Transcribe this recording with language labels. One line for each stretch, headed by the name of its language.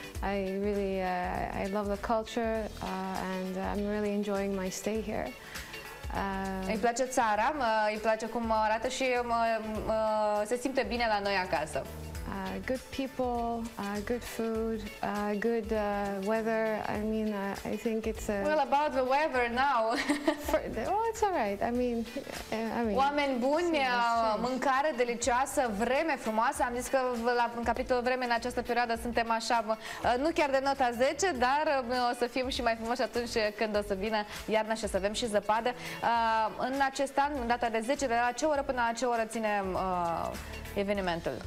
English: I really I love the culture and I'm really enjoying my stay here.
Romanian: Îmi place țara, îmi place cum arată și se simte bine la noi acasă.
English: Good people, good food, good weather. I mean, I think it's a... Well, about the weather now. Well, it's all right. I mean.
Romanian: Oameni buni, mâncare delicioasă, vreme frumoasă. Am zis că la capitolul vreme în această perioadă suntem așa, nu chiar de nota 10, dar o să fim și mai frumoși atunci când o să vină iarna și o să avem și zăpadă. În acest an, în data de 10, de la ce oră până la ce oră ținem evenimentul?